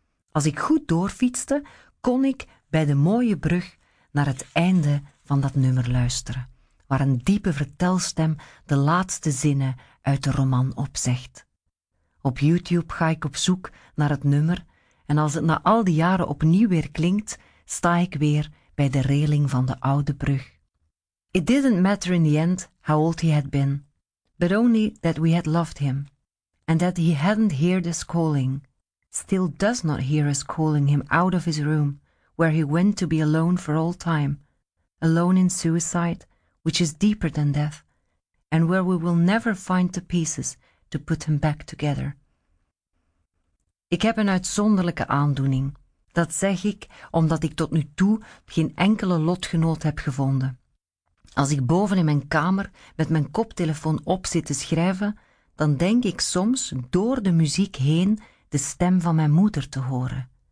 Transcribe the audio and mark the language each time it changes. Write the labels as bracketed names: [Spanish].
[Dutch] Als ik goed doorfietste, kon ik bij de mooie brug naar het einde van dat nummer luisteren, waar een diepe vertelstem de laatste zinnen uit de roman opzegt. Op YouTube ga ik op zoek naar het nummer en als het na al die jaren opnieuw weer klinkt, sta ik weer bij de reling van de oude brug. [English] It didn't matter in the end how old he had been, but only that we had loved him. And that he hadn't heard us calling, still does not hear us calling him out of his room, where he went to be alone for all time, alone in suicide, which is deeper than death, and where we will never find the pieces to put him back together. [Dutch] Ik heb een uitzonderlijke aandoening. Dat zeg ik omdat ik tot nu toe geen enkele lotgenoot heb gevonden. Als ik boven in mijn kamer met mijn koptelefoon op zit te schrijven, dan denk ik soms door de muziek heen de stem van mijn moeder te horen.